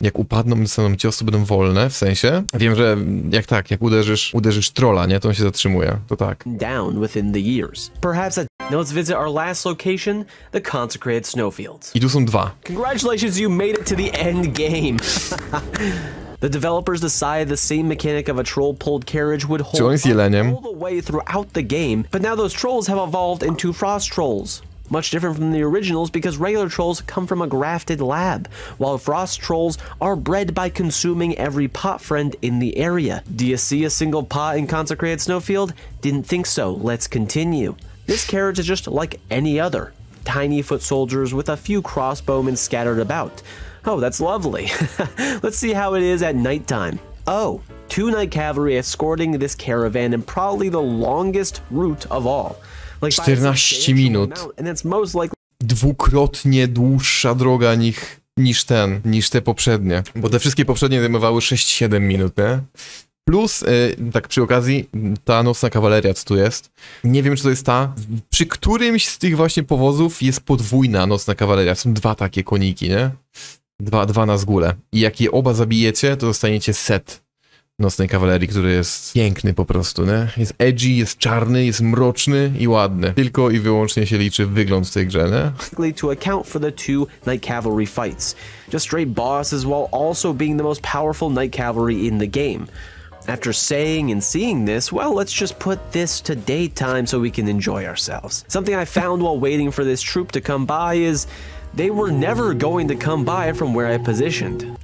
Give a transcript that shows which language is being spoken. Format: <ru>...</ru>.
<pl>Jak upadną, dostaną ciosu, będą wolne, w sensie. Wiem, że jak uderzysz trolla, nie, to on się zatrzymuje. To tak.</pl> <en>Down within the years. Perhaps a... Now let's visit our last location, the Consecrated Snowfields.</en> <pl>I tu są dwa.</pl> <en>Congratulations, you made it to the end game. The developers decided the same mechanic of a troll pulled carriage would hold all the way throughout the game, but now those trolls have evolved into frost trolls. Much different from the originals because regular trolls come from a grafted lab, while frost trolls are bred by consuming every pot friend in the area. Do you see a single pot in Consecrated Snowfield? Didn't think so. Let's continue. This carriage is just like any other. Tiny foot soldiers with a few crossbowmen scattered about. Oh, that's lovely. Let's see how it is at nighttime. Oh, two night cavalry escorting this caravan and probably the longest route of all. Like</en> <pl>14 minut.</pl> <en>And it's most likely...</en> <pl>Dwukrotnie dłuższa droga niż te poprzednie. Bo te wszystkie poprzednie zajmowały 6-7 minut, nie? Plus, tak przy okazji, ta nocna kawaleria, co tu jest? Nie wiem, czy to jest ta. Przy którymś z tych właśnie powozów jest podwójna nocna kawaleria. Są dwa takie koniki, nie? Dwa na zgule. I jak je oba zabijecie, to dostaniecie set nocnej kawalerii, który jest piękny po prostu, nie? Jest edgy, jest czarny, jest mroczny i ładny. Tylko i wyłącznie się liczy wygląd w tej grze, nie?</pl> <en>...to account for the two night cavalry fights. Just straight bosses while also being the most powerful night cavalry in the game. After saying and seeing this, well, let's just put this to daytime so we can enjoy ourselves. Something I found while waiting for this troop to come by is... They were never going to come by from where I positioned.</en>